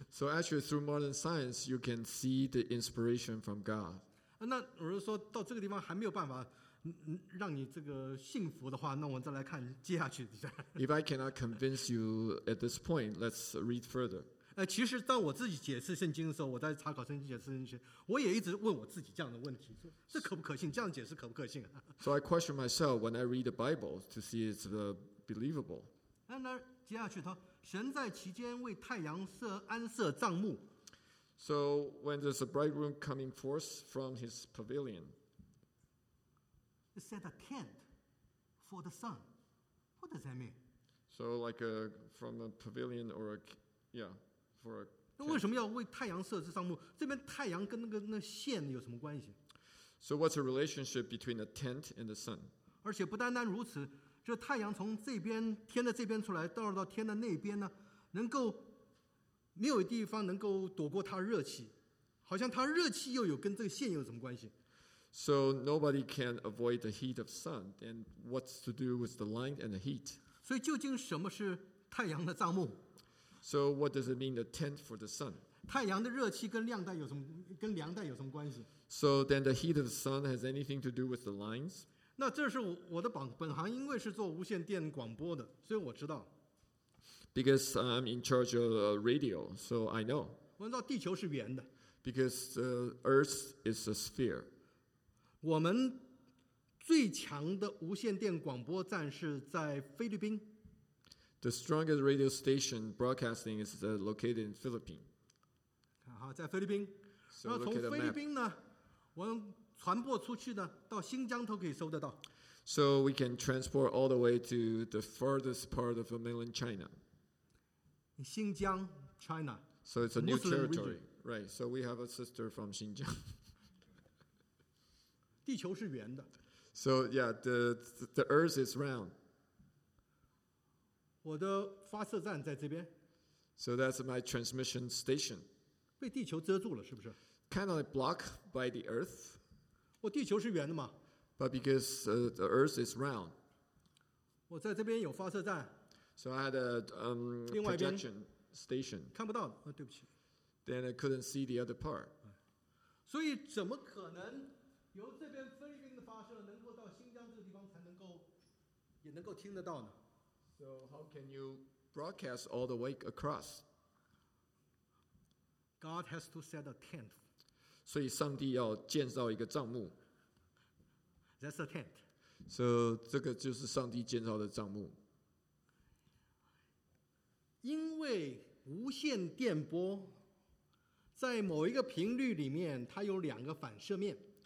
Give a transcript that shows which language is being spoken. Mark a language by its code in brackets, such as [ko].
[en] So actually, through modern science, you can see the inspiration from God. [zh] 那我是说到这个地方还没有办法让你这个信服的话，那我们再来看接下去。 [en] If I cannot convince you at this point, let's read further. [zh] 其实当我自己解释圣经的时候，我在查考圣经解释圣经，我也一直问我自己这样的问题：这可不可信？这样解释可不可信 [en] ？So I question myself when I read the Bible to see it's believable. [zh] 那接下去他神在其间为太阳设安设帐幕。 [en] So when there's a bridegroom coming forth from his pavilion, he set a tent for the sun. What does that mean? So like from a pavilion or for a. [zh] 那为什么要为太阳设置帐幕？这边太阳跟那线有什么关系 [en] ？So what's the relationship between a tent and the sun? [zh] 而且不单单如此，这太阳从这边天的这边出来，到天的那边呢，能够。没有地方能够躲过它热气，好像它热气又有跟这个线有什么关系 [en] ？So nobody can avoid the heat of sun. Then what's to do with the light and the heat? [zh] 所以究竟什么是太阳的帐幕 [en] ？So what does it mean the tent for the sun? [zh] 太阳的热气跟亮带有什么跟凉带有什么关系 [en] ？So then the heat of the sun has anything to do with the lines? [zh] 那这是我的本行，因为是做无线电广播的，所以我知道。 [en] Because I'm in charge of radio, so I know. [zh] 我知道地球是圆的。 [en] Because Earth is a sphere. [zh] 我们最强的无线电广播站是在菲律宾。 [en] The strongest radio station broadcasting is located in Philippines. [zh] 好，在菲律宾。那从菲律宾呢，我们传播出去呢，到新疆都可以收得到。 [en] So we can transport all the way to the farthest part of mainland China. Xinjiang, China. So it's a new、 Muslim、 territory.、 Region. Right. So we have a sister from Xinjiang. [zh] 地球是圆的。 [en] So yeah, the earth is round. [zh] 我的发射站在这边。 [en] So that's my transmission station. [zh] 被地球遮住了，是不是？ [en] Kind of like blocked by the earth. [zh] 我地球是圆的嘛。 [en] But because the earth is round. [zh] 我在这边有发射站。 [en] So I had a projection station. [zh] 看不到，对不起。 [en] Then I couldn't see the other part. [zh] 所以怎么可能由这边菲律宾的发射能够到新疆这个地方才能够也能够听得到呢？ [en] So how can you broadcast all the way across? God has to set a tent. [zh] 所以上帝要建造一个帐幕。 [en] That's a tent. [zh] So 这个就是上帝建造的帐幕。因为无线电波在某一个频率里面，它有两个反射面。